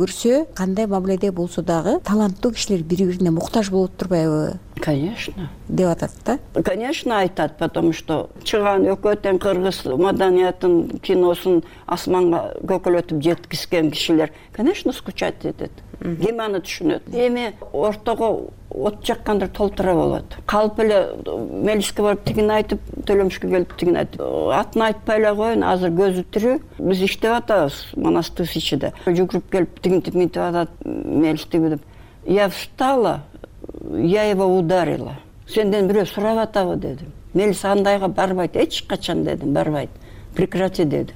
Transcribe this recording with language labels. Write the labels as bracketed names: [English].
[Kyrgyz] Көрсө кандай мамиледе болсо дагы таланттуу кишилер бири бирине муктаж болуп турбайбы? [Russian] Конечно. [Kyrgyz] Деп атат да? Конечно айтат, [Russian] потому что [Kyrgyz] чыгаан өкөтөн кыргыз маданиятын киносун асманга көкөлөтүп жеткизген кишилер, конечно, [Russian] скучать [Kyrgyz] этет. Ким аны түшүнөт? Эми ортого от жаккандар толтура болот. Калп эле мелиске барып тигин айтып, төлөмүшкө келип тигин айтып. Атын айтпай эле коюн, азыр көзү тирүү. Биз иштеп атабыз монастырь ичинде. Жүгүрүп келип тигинтип атат мелистиги деп. [Russian] Я встала, я его ударила. [Kyrgyz] Сенден бирөө сурап атабы дедим. Мелис андайга барбайт, эч качан дедим, барбайт. [Russian] Прекрати [Kyrgyz] деди.